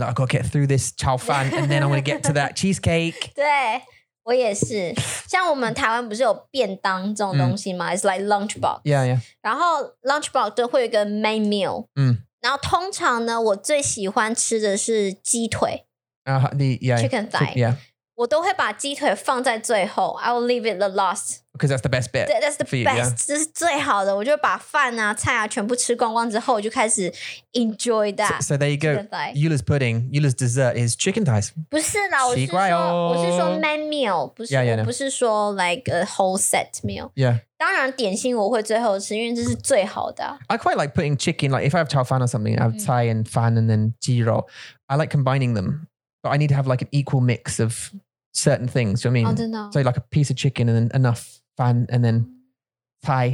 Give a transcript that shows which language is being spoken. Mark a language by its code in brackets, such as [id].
[en] Like, I've got to get through this chow fan and then I'm going to get to that cheesecake. [zh] 对,我也是。像我们台湾不是有便当这种东西吗? [en] It's like lunchbox. Yeah, yeah. [zh] 然后lunchbox都会有个 main meal. 然后通常呢,我最喜欢吃的是鸡腿。 [en] Chicken thigh. Yeah. [zh] 我都会把鸡腿放在最后, [en] I will leave it the last. Because that's the best bit. That's the for you, best, yeah. [zh] 这是最好的, 我就把饭啊, 菜啊, 全部吃光光之后, 我就开始 [en] enjoy that. So there you go, Eula's pudding, Eula's dessert is chicken thighs. [zh] 不是啦, 我是说 main meal, 不是, [en] yeah, yeah, no. [zh] 不是说 [en] like a whole set meal. Yeah. [zh] 当然点心我会最后吃, 因为这是最好的。 [en] I quite like putting chicken, like if I have 炒饭 or something, I have 菜 and 饭 and then 鸡肉, I like combining them. But I need to have like an equal mix of certain things. You know what I mean? Oh, don't know. So like a piece of chicken and then enough fan and then thai.